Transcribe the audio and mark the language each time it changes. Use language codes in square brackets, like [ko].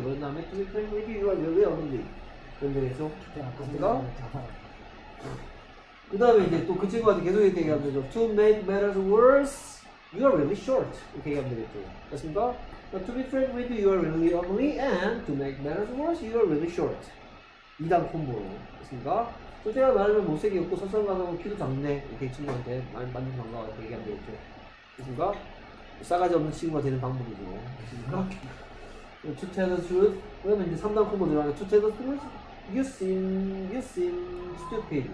[ko] 그런 다음에 [en] to be frank with you, you are really ugly. [ko] 그런 데 계속 그렇습니까? 그 다음에 이제 또 그 친구한테 계속 이렇게 얘기하면 되죠. [en] to make matters worse, you are really short. [ko] 이렇게 얘기하면 되겠죠. 그렇습니까? [en] To be frank with you, you are really ugly, and to make matters worse, you are really short. [ko] 2단 콤보로. 됐습니까? 또 제가 말하면 못생기 없고 서성가서 키도 작네. 이렇게 친구한테 만든 방법을 얘기하면 되겠죠. 됐습니까? 싸가지 없는 친구가 되는 방법이죠. 됐습니까? [en] to tell the truth. [ko] 그러면 이제 3단 콤보 들어가면 [en] to tell the truth. You seem stupid.